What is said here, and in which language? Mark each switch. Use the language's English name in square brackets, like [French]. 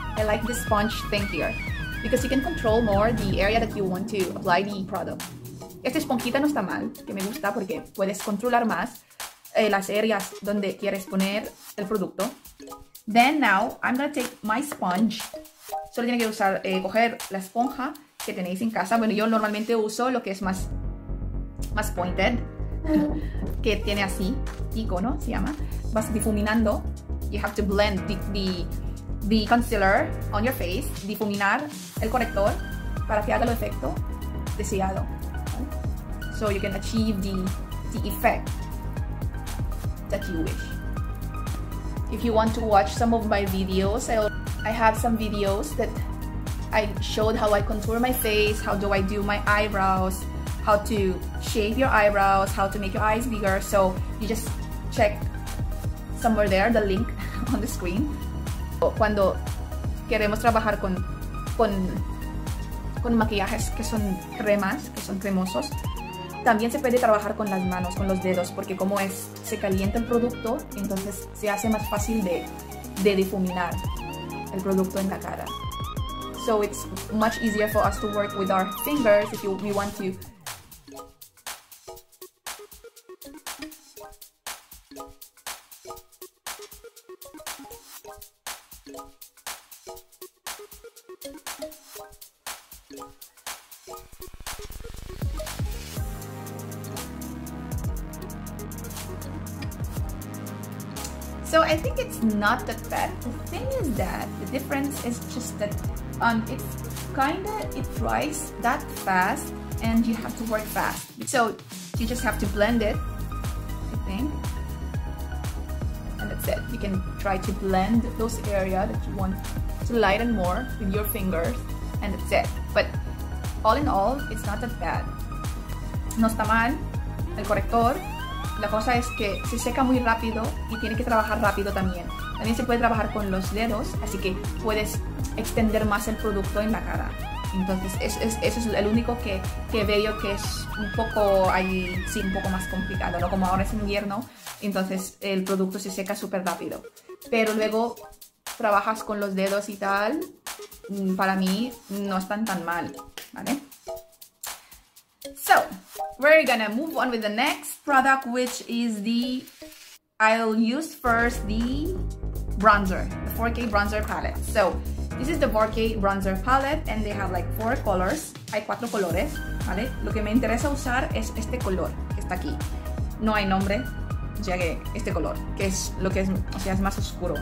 [English] I like the sponge thing here because you can control more the area that you want to apply the product. [Spanish] Esta esponjita no está mal, que me gusta porque puedes controlar más las áreas donde quieres poner el producto. [English] Then now I'm gonna take my sponge. [Spanish] Solo tiene que usar coger la esponja que tenéis en casa. Bueno, yo normalmente uso lo que es más pointed. Que tiene así, KIKO, ¿no? Se llama. Vas difuminando. [English] You have to blend the concealer on your face. [Spanish] Difuminar el corrector para que haga el efecto deseado. [English] So you can achieve the effect that you wish. If you want to watch some of my videos, I have some videos that I showed how I contour my face, how do I do my eyebrows, how to shave your eyebrows, how to make your eyes bigger. So you just check somewhere there, the link on the screen. [Spanish] Cuando queremos trabajar con maquillajes que son cremosos, también se puede trabajar con las manos, con los dedos, porque como es, se calienta el producto, entonces se hace más fácil de difuminar el producto en la cara. [English] So it's much easier for us to work with our fingers if we want to. So I think it's not that bad. The thing is that the difference is just that it dries that fast and you have to work fast. So you just have to blend it, I think. And that's it. You can try to blend those areas that you want to lighten more with your fingers, and that's it. But all in all, it's not that bad. [Spanish] No está mal el corrector. La cosa es que se seca muy rápido y tiene que trabajar rápido también. También se puede trabajar con los dedos, así que puedes extender más el producto en la cara. Entonces, eso es el único que veo que es un poco ahí, sí, un poco más complicado, ¿no? Como ahora es invierno, entonces el producto se seca súper rápido. Pero luego trabajas con los dedos y tal, para mí no están tan mal, ¿vale? [English] So, we're gonna move on with the next product, which is I'll use first the bronzer, the 4K bronzer palette. So, this is the 4K bronzer palette, and they have like four colors. [Spanish] Hay cuatro colores, ¿vale? Lo que me interesa usar es este color que está aquí. No hay nombre, ya que este color, que es lo que es, o sea, es más oscuro.